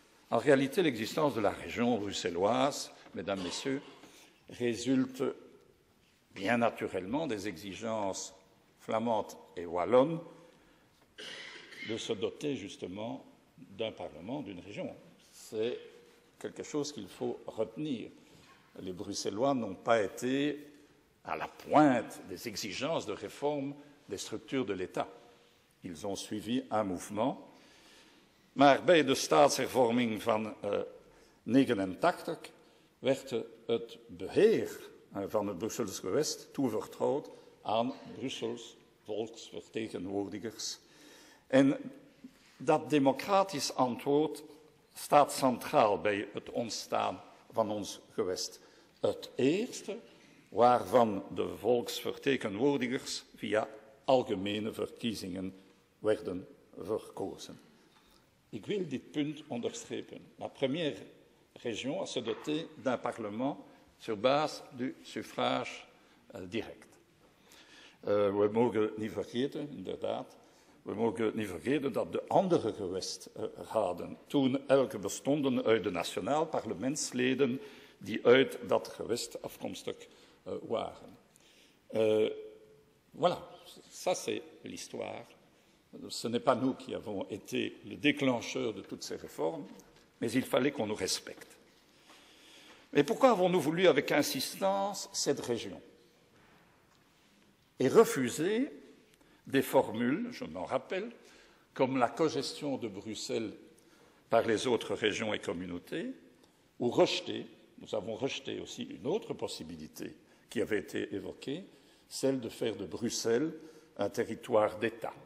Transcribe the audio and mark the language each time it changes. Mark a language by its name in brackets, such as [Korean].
[French] En réalité, l'existence de la région bruxelloise, mesdames, messieurs, résulte bien naturellement des exigences flamandes et wallonnes de se doter justement d'un parlement, d'une région. C'est quelque chose qu'il faut retenir. Les Bruxellois n'ont pas été à la pointe des exigences de réforme des structures de l'État. Ils ont suivi un mouvement. [Dutch] Maar bij de staatshervorming van 89 werd het beheer van het Brusselse gewest toevertrouwd aan Brussels volksvertegenwoordigers. En dat democratisch antwoord staat centraal bij het ontstaan van ons gewest. Het eerste waarvan de volksvertegenwoordigers via algemene verkiezingen werden verkozen. Ik wil dit punt onderstrepen. [French] La première région à se doter d'un parlement sur base du suffrage direct. [Dutch] We mogen niet vergeten, inderdaad, we mogen niet vergeten dat de andere gewestraden toen elke bestonden uit de nationaal parlementsleden die uit dat gewest afkomstig waren. [French] Voilà, ça c'est l'histoire. Ce n'est pas nous qui avons été le déclencheur de toutes ces réformes, mais il fallait qu'on nous respecte. Mais pourquoi avons-nous voulu avec insistance cette région et refusé des formules, je m'en rappelle, comme la cogestion de Bruxelles par les autres régions et communautés, ou rejeté, nous avons rejeté aussi une autre possibilité qui avait été évoquée, celle de faire de Bruxelles un territoire d'État.